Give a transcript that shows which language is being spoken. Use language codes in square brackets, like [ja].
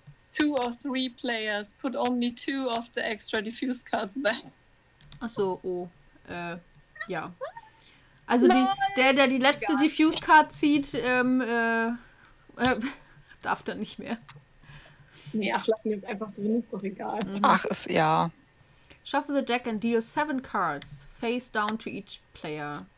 [en] 2 or 3 players put only 2 of the extra diffuse cards back. [de] Achso, oh. Ja. Also der die letzte diffuse card zieht, darf dann nicht mehr. Nee, ach, lass mir jetzt einfach drin, ist doch egal. Mhm. Ach, ist ja. [en] Shuffle the deck and deal 7 cards face down to each player.